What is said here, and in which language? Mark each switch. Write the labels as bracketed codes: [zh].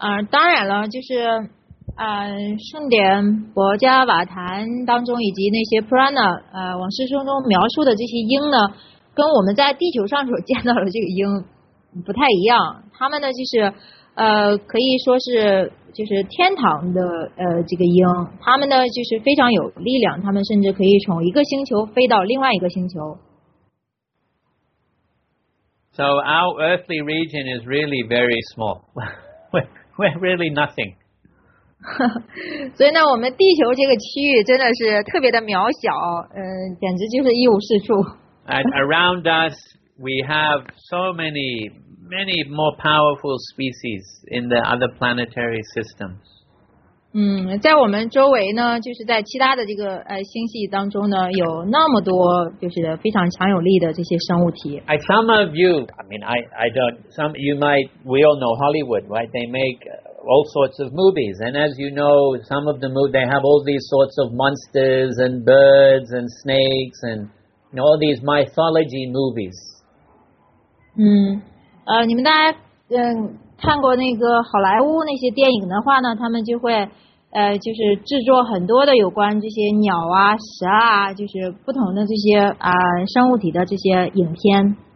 [zh] 当然了，就是圣典博加瓦坛当中以及那些 prana 往事书中描述的这些鹰呢，跟我们在地球上所见到的这个鹰不太一样。他们呢，就是可以说是就是天堂的这个鹰，他们呢就是非常有力量，他们甚至可以从一个星球飞到另外一个星球。 [en] So our earthly region is really very small. We're really nothing. [zh] 所以呢，我们地球这个区域真的是特别的渺小，简直就是一无是处。 [en] And around us, we have so many, many more powerful species in the other planetary systems. [zh] 在我们周围呢，就是在其他的这个星系当中呢，有那么多就是非常强有力的这些生物体。 [en] Some of you, I mean, I don't. Some you might. We all know Hollywood, right? They make all sorts of movies, and as you know, some of the movies they have all these sorts of monsters and birds and snakes and all these mythology movies. [zh] 你们大家看过那个好莱坞那些电影的话呢，他们就会就是制作很多的有关这些鸟啊、蛇啊，就是不同的这些生物体的这些影片。